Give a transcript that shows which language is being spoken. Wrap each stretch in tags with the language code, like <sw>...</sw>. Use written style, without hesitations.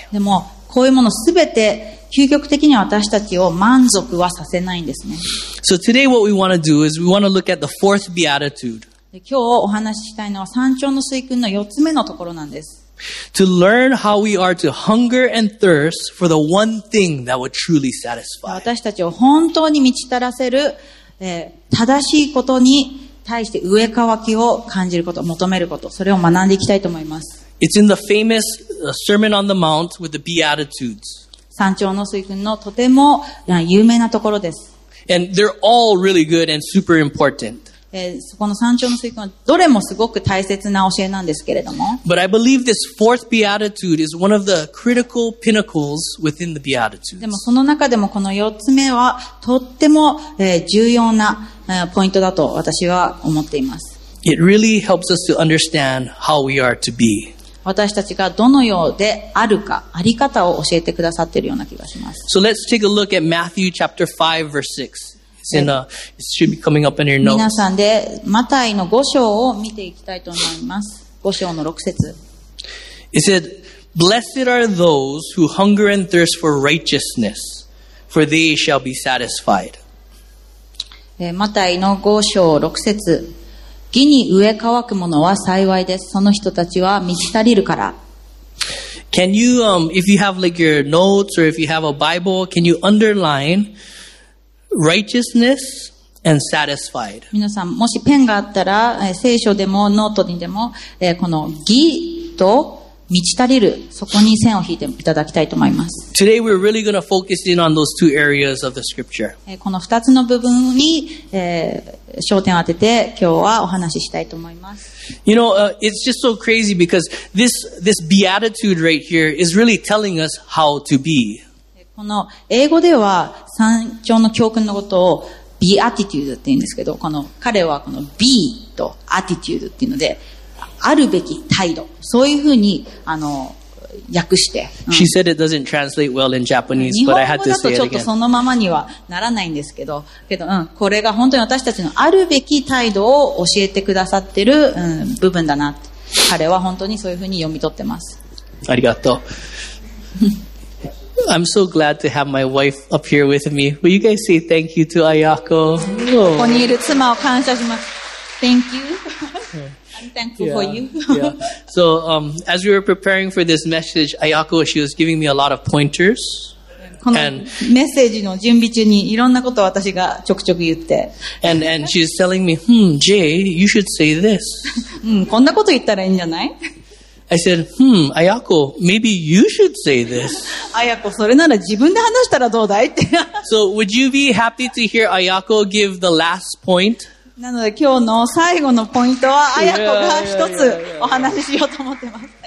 <ja>でも、こういうものすべて究極的に私たちを満足はさせないんですね。</ja> <en>So today what we want to do is we want to look at the fourth beatitude.</en> <ja>今日お話ししたいのは三頂の水訓の四つ目のところなんです。</ja> <en>To learn how we are to hunger and thirst for the one thing that would truly satisfy.</en> <ja>私たちを本当に満ち足らせる、正しいことに対して飢え渇きを感じること、求めること、それを学んでいきたいと思います。</ja> <en>It's in the famous Sermon on the Mount with the Beatitudes.</en> <ja>山頂の水訓のとても有名なところです。</ja> <en>And they're all really good and super important.</en> <ja>そこの山頂の水訓はどれもすごく大切な教えなんですけれども。</ja> <en>But I believe this fourth Beatitude is one of the critical pinnacles within the Beatitudes.</en> <ja>でもその中でもこの四つ目はとっても重要なポイントだと私は思っています。</ja> <en>It really helps us to understand how we are to be.</en> <ja>私たちがどのようであるか、あり方を教えてくださっているような気がします。</ja> <en>So let's take a look at Matthew chapter 5 verse 6. It should be coming up in your notes.</en> <ja>皆さんで、マタイの5章を見ていきたいと思います。5章の6節。</ja> <en>It said, "Blessed are those who hunger and thirst for righteousness, for they shall be satisfied."</en> <ja>マタイの5章6節、義に飢え渇く者は幸いです。その人たちは満ち足りるから。</ja> <en>Can you, if you have like your notes or if you have a Bible, can you underline righteousness and satisfied?</en> <ja>皆さん、もしペンがあったら、聖書でもノートにでも、この義と満ち足りる、そこに線を引いていただきたいと思います。</ja> <en>Today we're really going to focus in on those two areas of the scripture.</en> <ja>この二つの部分に、焦点を当てて今日はお話ししたいと思います。</ja> <en>You know, it's just so crazy because this beatitude right here is really telling us how to be.</en> <ja>この英語では三章の教訓のことを beatitude って言うんですけど、この彼はこの be と attitude っていうので、あるべき態度、そういうふうに訳して、うん。</ja> <en>She said it doesn't translate well in Japanese, but I had to say it again.</en> <ja>日本語だとちょっとそのままにはならないんですけど、うん、これが本当に私たちのあるべき態度を教えてくださってる、うん、部分だな。彼は本当にそういうふうに読み取ってます。ありがとう。</ja> <en>I'm so glad to have my wife up here with me. Will you guys say thank you to Ayako?</en> <ja>ここにいる妻を感謝します。</ja> <en>Thank you. Thankful for you. Yeah. So, as we were preparing for this message, Ayako, she was giving me a lot of pointers. And</en> <ja>メッセージの準備中にいろんなことを私がちょくちょく言って。</ja> <en>And she's telling me, Jay, you should say this.</en> <ja>こんなこと言ったらいいんじゃない?</ja> <en>I said, Ayako, maybe you should say this.</en> <ja>Ayako, それなら自分で話したらどうだいって。</ja> <en>So, would you be happy to hear Ayako give the last point?</en> <ja>なので今日の最後のポイントは、あやこが一つお話ししようと思ってます。</ja>